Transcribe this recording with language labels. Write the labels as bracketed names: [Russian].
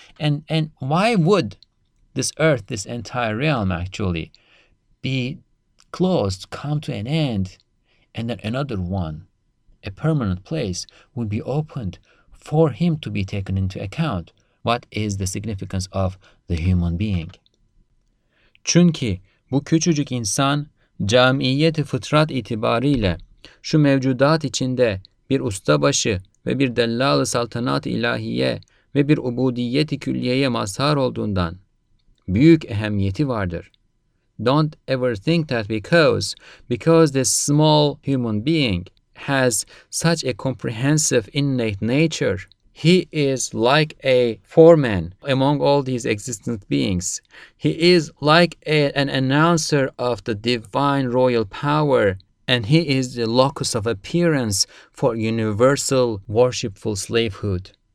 [English] And why would this earth, this entire realm actually, be closed, come to an end, and then another one, a permanent place, would be opened for him to be taken into account? What is the significance of the human being? [Turkish] Çünkü bu küçücük insan camiyet-i fıtrat itibariyle şu mevcudat içinde bir ustabaşı ve bir dellal-ı saltanat-ı ilahiye ve bir ubudiyet-i külliyeye mazhar olduğundan büyük ehemmiyeti vardır. [English] Don't ever think that because this small human being has such a comprehensive innate nature, he is like a foreman among all these existent beings. He is like an announcer of the divine royal power, and he is the locus of appearance for universal worshipful slavehood.